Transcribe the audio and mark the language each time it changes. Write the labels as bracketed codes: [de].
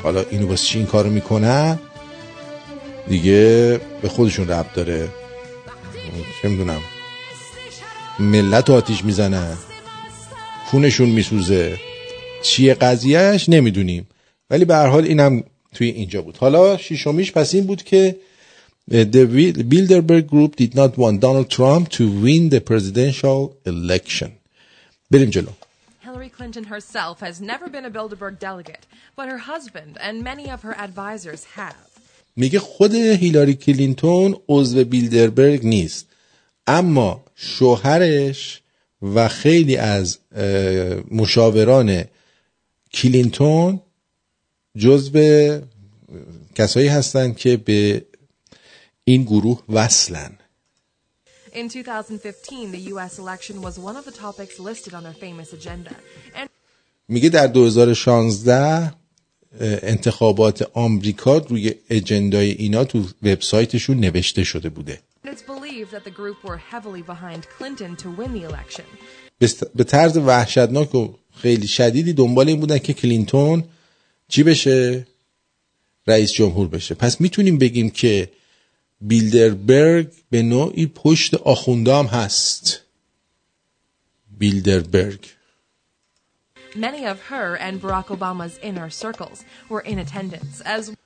[fa] حالا اینو بس چی این کار رو میکنن دیگه به خودشون ربط داره، چه میدونم، ملت رو آتیش میزنن، خونشون میسوزه، چیه قضیهش نمیدونیم، ولی به هر حال اینم توی اینجا بود. حالا ششمیش پس این بود که [en] The Bilderberg Group did not want Donald Trump to win the presidential election. [fa] بریم جلو. [en] Hillary Clinton herself has never been a Bilderberg delegate, but her husband and many of her advisors have. [fa] میگه خود هیلاری کلینتون عضو بیلدربرگ نیست، اما شوهرش و خیلی از مشاوران کلینتون جز به کسایی هستند که به این گروه وصلن. [en] In 2015 the US election was one of the topics listed on their famous agenda. [fa] میگه در 2016 انتخابات آمریکا روی اجندای اینا تو وبسایتشون نوشته شده بوده. [en] It's believed that the group were heavily behind Clinton to win the election. [fa] به طرز وحشتناک و خیلی شدیدی دنبال این بودن که کلینتون چی بشه؟ رئیس جمهور بشه. پس میتونیم بگیم که بیلدربرگ به نوعی پشت آخوندام هست. بیلدربرگ. [en] Many of her and Barack Obama's inner circles were in attendance as